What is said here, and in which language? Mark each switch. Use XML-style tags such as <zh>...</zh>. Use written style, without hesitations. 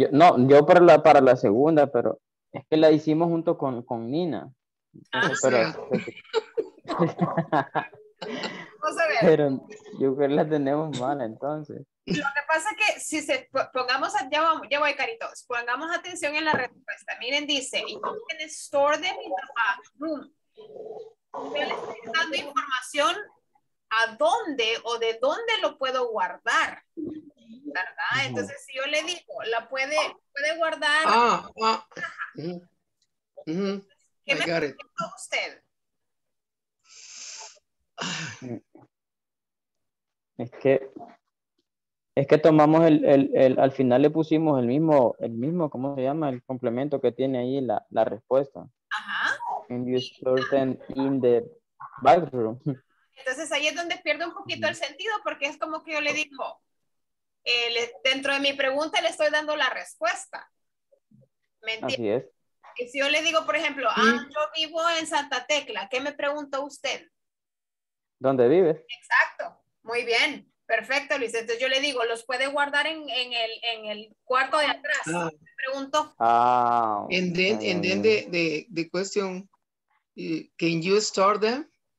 <es>No, yo para la segunda, pero es que la hicimos junto con Nina. Pero, sí. Vamos a ver. Pero yo creo que la tenemos mal entonces. Lo que pasa es que si se pongamos, ya voy caritos, pongamos atención en la respuesta. Miren, dice,</es> <en>you can store them in the back room.</en> <es>Yo le estoy dando información a dónde o de dónde lo puedo guardar, ¿verdad? Entonces si yo le digo, la puede guardar. ¿Qué me preguntó usted? Es que tomamos el al final le pusimos el mismo ¿cómo se llama? El complemento que tiene ahí la respuesta. Ajá.</es> <en>And you store them in the bathroom.</en> <es>Entonces ahí es donde pierdo un poquito el sentido porque es como que yo le digo, dentro de mi pregunta le estoy dando la respuesta. ¿Me entiendes? Así es. Que si yo le digo, por ejemplo, yo vivo en Santa Tecla, ¿qué me pregunta usted? ¿Dónde vive? Exacto, muy bien. Perfecto, Luis. Entonces yo le digo, ¿los puede guardar en el cuarto de atrás? Ah. Me pregunto. Ah.</es> <en>And then the question, can you store them?</en>